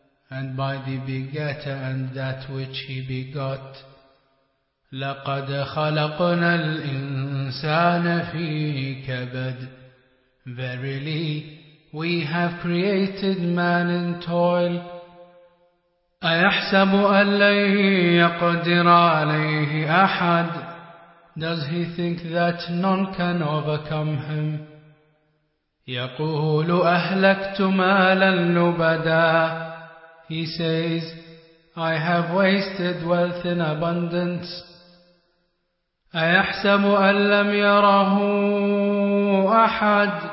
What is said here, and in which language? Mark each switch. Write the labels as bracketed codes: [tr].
[en] And by the begetter and that which he begot. [ar] لقد خلقنا الإنسان في كبد. [en] Verily, we have created man in toil. [ar] أيحسب أن لن يقدر عليه أحد. [en] Does he think that none can overcome him? [ar] يقول أهلكت مالا لبدا. [en] He says, I have wasted wealth in abundance. [ar] أيحسب أن لم يره أحد.